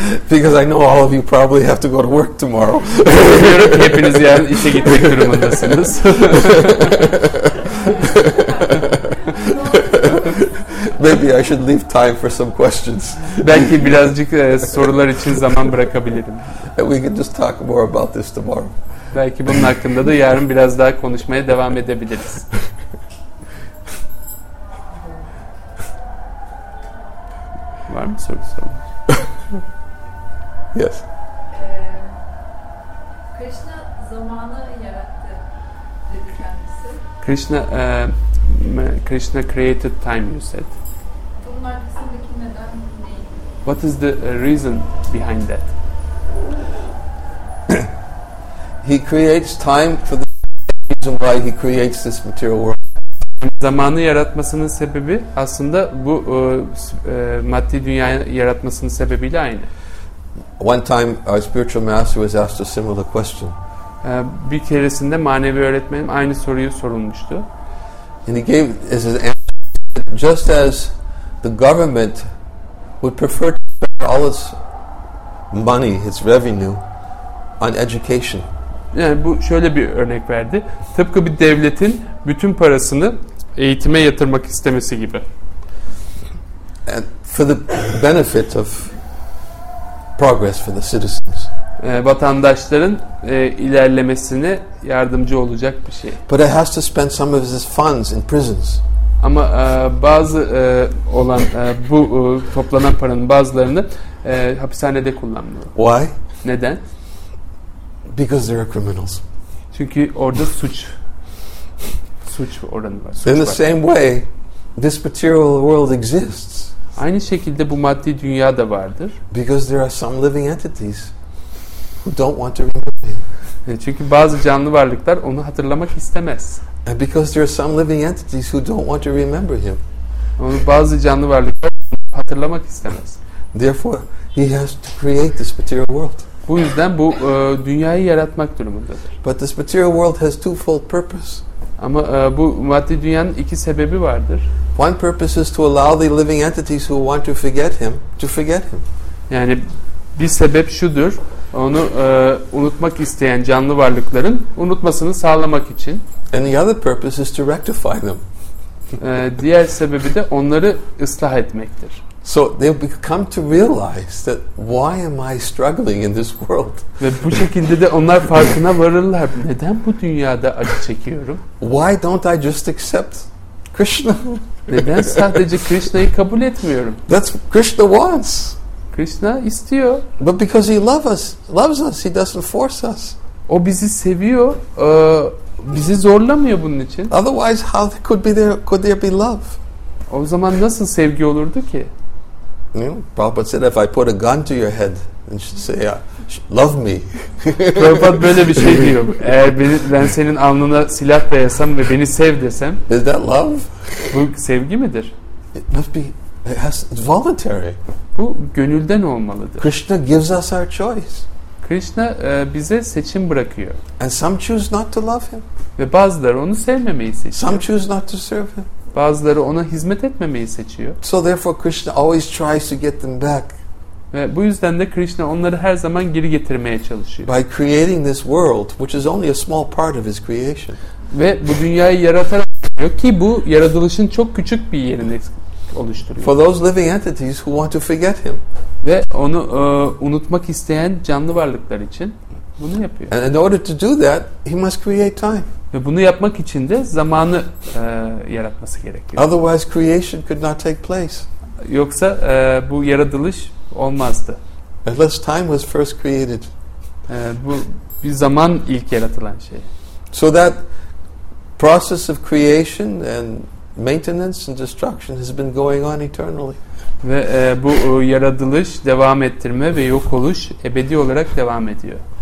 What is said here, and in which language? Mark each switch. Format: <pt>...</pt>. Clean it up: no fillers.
<en>Because I know all of you probably have to go to work tomorrow.</en> <tr>Biliyorum hepiniz yarın işe gitmek durumundasınız.</tr> <en>Maybe I should leave time for some questions.</en> <tr>Belki birazcık sorular için zaman bırakabilirim.</tr> <en>And we can just talk more about this tomorrow.</en> <tr>Belki bunun hakkında da yarın biraz daha konuşmaya devam edebiliriz. Var mı soru sorun?</tr> <en>Yes.</en> <tr>Krishna zamanı yarattı dedi kendisi.</tr> <en>Krishna created time, you said.</en> <tr>Bunun arkasındaki neden neydi?</tr> <en>What is the reason behind that? He creates time for the reason why he creates this material world.</en> <tr>Zamanı yaratmasının sebebi aslında bu maddi dünyayı yaratmasının sebebiyle aynı.</tr> <en>One time our spiritual master was asked a similar question.</en> <tr>Bir keresinde manevi öğretmenim aynı soruyu sorulmuştu.</tr> <en>And he gave as his answer, just as the government would prefer to spend all its money, its revenue on education.</en> <tr>Yani bu şöyle bir örnek verdi. Tıpkı bir devletin bütün parasını eğitime yatırmak istemesi gibi.</tr> <en>And for the benefit of progress for the citizens.</en> <tr>Vatandaşların ilerlemesine yardımcı olacak bir şey.</tr> <en>But it has to spend some of his funds in prisons.</en> <tr>Ama bazı olan bu toplanan paranın bazılarını hapishanede kullanmıyor.</tr> <en>Why?</en> <tr>Neden?</tr> <en>Because there are criminals.</en> <tr>Çünkü orada suç oranı var.</tr> <en>In the same way, this material world exists.</en> <tr>Aynı şekilde bu maddi dünya da vardır.</tr> <en>Because there are some living entities who don't want to remember him.</en> <tr>Çünkü bazı canlı varlıklar onu hatırlamak istemez.</tr> <en>And because there are some living entities who don't want to remember him.</en> <tr>Onu bazı canlı varlıklar hatırlamak istemez.</tr> <en>Therefore, he has to create this material world.</en> <tr>Bu yüzden bu dünyayı yaratmak durumundadır.</tr> <en>But this material world has twofold purpose.</en> <tr>Ama bu maddi dünyanın iki sebebi vardır.</tr> <en>One purpose is to allow the living entities who want to forget him to forget him.</en> <tr>Yani bir sebep şudur. Onu unutmak isteyen canlı varlıkların unutmasını sağlamak için.</tr> <en>And the other purpose is to rectify them.</en> <tr>Diğer sebebi de onları ıslah etmektir.</tr> <en>So they come to realize that why am I struggling in this world?</en> <tr>Ve bu şekilde de onlar farkına varırlar. Neden bu dünyada acı çekiyorum?</tr> <en>Why don't I just accept Krishna?</en> <tr>Neden sadece Krishna'yı kabul etmiyorum?</tr> <en>That's what Krishna wants.</en> <tr>Krishna istiyor.</tr> <en>But because he loves us, he doesn't force us.</en> <tr>O bizi seviyor, bizi zorlamıyor bunun için.</tr> <en>Otherwise, how could there be love?</en> <tr>O zaman nasıl sevgi olurdu ki?</tr> <en>You know, Prabhupada said, if I put a gun to your head and say, love me.</en> <tr>Prabhupada böyle bir şey diyor. Eğer ben senin alnına silah dayasam ve beni sev desem.</tr> <en>Is that love?</en> <tr>Bu sevgi midir?</tr> <en>It must be, it's voluntary.</en> <tr>Bu gönülden olmalıdır.</tr> <en>Krishna gives us our choice.</en> <tr>Krishna bize seçim bırakıyor.</tr> <en>And some choose not to love him.</en> <tr>Ve bazıları onu sevmemeyi seçiyor.</tr> <en>Some choose not to serve him.</en> <tr>Bazıları ona hizmet etmemeyi seçiyor.</tr> <en>So therefore Krishna always tries to get them back.</en> <tr>Ve bu yüzden de Krishna onları her zaman geri getirmeye çalışıyor.</tr> <en>By creating this world, which is only a small part of his creation.</en> <tr>Ve bu dünyayı yaratarak diyor ki bu yaratılışın çok küçük bir yerini oluşturuyor.</tr> <en>For those living entities who want to forget him.</en> <tr>Ve onu unutmak isteyen canlı varlıklar için bunu yapıyor.</tr> <en>And in order to do that, he must create time.</en> <tr>Ve bunu yapmak için de zamanı yaratması gerekiyor.</tr> <en>Otherwise creation could not take place.</en> <tr>Yoksa bu yaratılış olmazdı.</tr> <en>Unless time was first created.</en> <tr>Bu bir zaman ilk yaratılan şey.</tr> <en>So that process of creation and maintenance and destruction has been going on eternally.</en> <tr>Ve bu yaratılış, devam ettirme ve yok oluş ebedi olarak devam ediyor.</tr>